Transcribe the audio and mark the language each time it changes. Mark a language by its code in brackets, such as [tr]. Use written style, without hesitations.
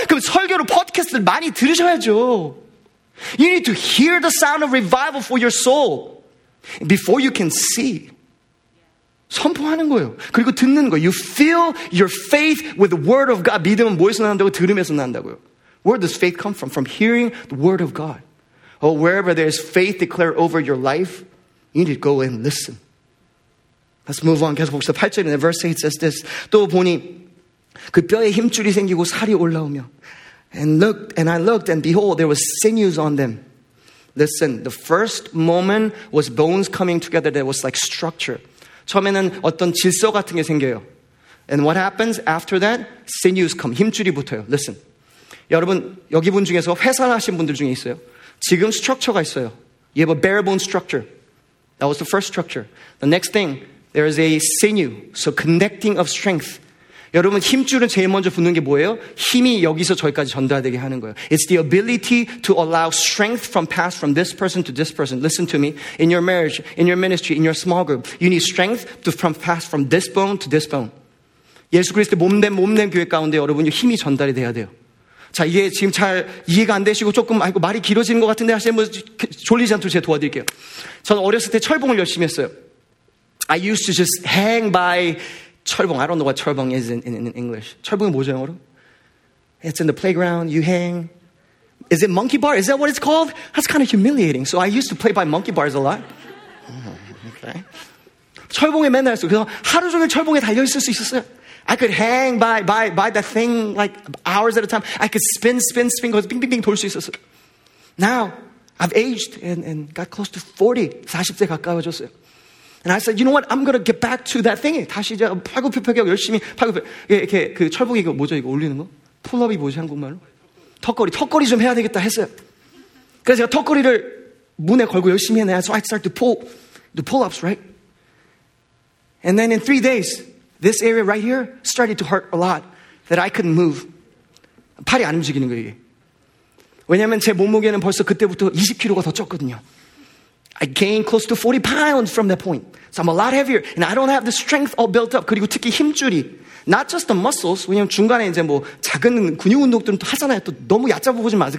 [ko] 그럼 설교로 팟캐스트를 많이 들으셔야죠. [en] You need to hear the sound of revival for your soul before you can see. [ko] 선포하는 거예요. 그리고 듣는 거예요. [en] You fill your faith with the word of God. [ko] 믿음은 뭐에서 난다고? 들음에서 난다고요. [en] Where does faith come from? From hearing the word of God. Oh, wherever there's faith declared over your life, you need to go and listen. Let's move on. [ko] 계속 봅시다. 8절에 있는 [en] verse 8 says this. [ko] 또 보니 그 뼈에 힘줄이 생기고 살이 올라오며. [en] And I looked, and behold, there was sinews on them. Listen, the first moment was bones coming together. There was like structure. [ko] 처음에는 어떤 질서 같은 게 생겨요. [en] And what happens after that? Sinews come. [ko] 힘줄이 붙어요. [en] Listen. [ko] 여러분, 여기 분 중에서 회사를 하신 분들 중에 있어요. 지금 structure가 있어요. [en] You have a bare bone structure. That was the first structure. The next thing, there is a sinew. So connecting of strength. [ko] 여러분, 힘줄은 제일 먼저 붙는 게 뭐예요? 힘이 여기서 저기까지 전달되게 하는 거예요. [en] It's the ability to allow strength from past, from this person to this person. Listen to me. In your marriage, in your ministry, in your small group, you need strength to from past, from this bone to this bone. [ko] 예수 그리스도 몸된 교회 가운데 여러분 힘이 전달이 돼야 돼요. 자, 이게 지금 잘 이해가 안 되시고 조금 아이고 말이 길어지는 것 같은데 하시는 분 졸리지 않도록 제가 도와드릴게요. 저는 어렸을 때 철봉을 열심히 했어요. [en] I used to just hang by 철봉. I don't know what 철봉 is in English. [ko] 철봉이 뭐죠, 영어로? [en] It's in the playground. You hang. Is it monkey bar? Is that what it's called? That's kind of humiliating. So I used to play by monkey bars a lot. Okay. [ko] 철봉에 맨날 했어요. 그래서 하루 종일 철봉에 달려 있을 수 있었어요. [en] I could hang by the thing like hours at a time. I could spin, go bing, bing, bing, [ko] 돌 수 있었어요. [en] Now, I've aged and got close to 40. [ko] 40세 가까워졌어요. [en] And I said, you know what? I'm going to get back to that thing. [ko] 다시 이제 팔굽혀펴기하고 열심히 팔굽혀펴기. 이렇게 그 철봉이 이거 뭐죠? 이거 올리는 거? 풀업이 뭐지? 한국말로? 턱걸이. 턱걸이 좀 해야 되겠다 했어요. 그래서 제가 턱걸이를 문에 걸고 열심히 했네. [en] So I start to pull the pull-ups, right? And then in 3 days, this area right here started to hurt a lot that I couldn't move. [ko] 팔이 안 움직이는 거예요, 이게. 왜냐하면 제 몸무게는 벌써 그때부터 20kg가 더 쪘거든요. [en] I gained close to 40 pounds from that point. So I'm a lot heavier. And I don't have the strength all built up. [ko] 그리고 특히 힘줄이. [en] Not just the muscles. [ko] 왜냐면 중간에 이제 뭐 작은 근육 운동들은 또 하잖아요. 또 너무 얕잡아 보지 마세요.